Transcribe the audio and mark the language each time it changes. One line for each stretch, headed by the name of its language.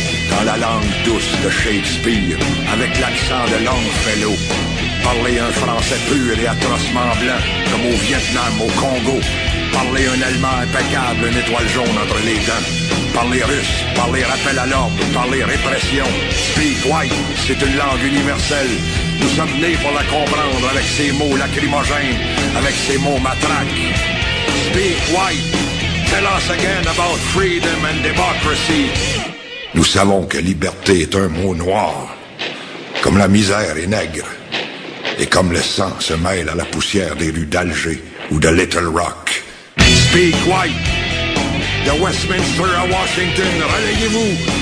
French: Dans la langue douce de Shakespeare, avec l'accent de Longfellow, parlez un français pur et atrocement blanc, comme au Vietnam, au Congo. Parlez un allemand impeccable, une étoile jaune entre les dents. Parlez russe, parlez rappel à l'ordre, parlez répression.
English: Speak white,
French: c'est une langue universelle. Nous sommes nés pour la comprendre avec ses mots lacrymogènes, avec ses mots matraques.
English: Speak white, tell us again about freedom and democracy.
French: Nous savons que liberté est un mot noir, comme la misère est nègre, et comme le sang se mêle à la poussière des rues d'Alger ou de Little Rock.
English: Speak white,
French: de Westminster à Washington, relayez-vous.